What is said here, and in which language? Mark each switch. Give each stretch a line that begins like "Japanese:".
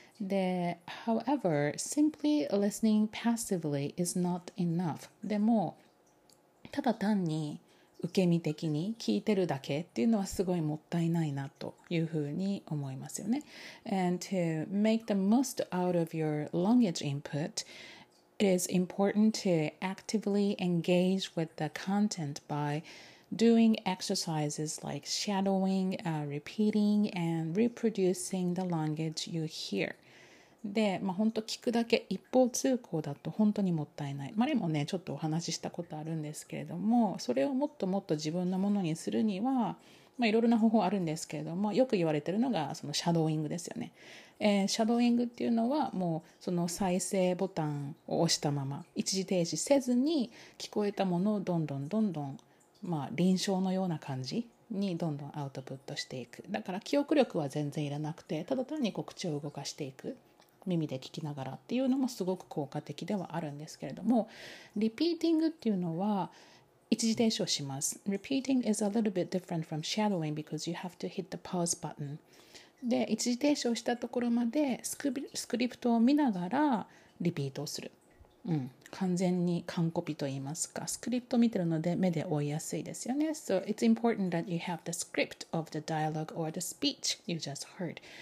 English: で、However, simply listening passively is not enough.
Japanese: でも、ただ単に受け身的に聞いてるだけっていうのはすごいもったいないなというふうに思いますよね。
English: And to make the most out of your language input, it is important to actively engage with the content bydoing exercises like shadowing, repeating, and reproducing the language you hear.
Japanese: で、まあ、本当聞くだけ一方通行だと本当にもったいない。前もね、ちょっとお話ししたことあるんですけれども、それをもっともっと自分のものにするには、まあ、いろいろな方法あるんですけれども、よく言われているのがそのシャドーイングですよね。シャドーイングっていうのはもうその再生ボタンを押したまま、一時停止せずに聞こえたものをどんどんどんどん、まあ、臨床のような感じにどんどんアウトプットしていく。だから記憶力は全然いらなくて、ただ単にこう口を動かしていく、耳で聞きながらっていうのもすごく効果的ではあるんですけれども、リピーティングっていうのは一時停止をします。
English: Repeating is a little bit different from shadowing because you have to hit the pause button.
Japanese: で、一時停止をしたところまでスクリプトを見ながらリピートをする、うん、完全に完コピと言いますか、スクリプト見てるので目で追いやすいですよね。
English: So it's important that you have the script of the dialogue or the speech you just heard.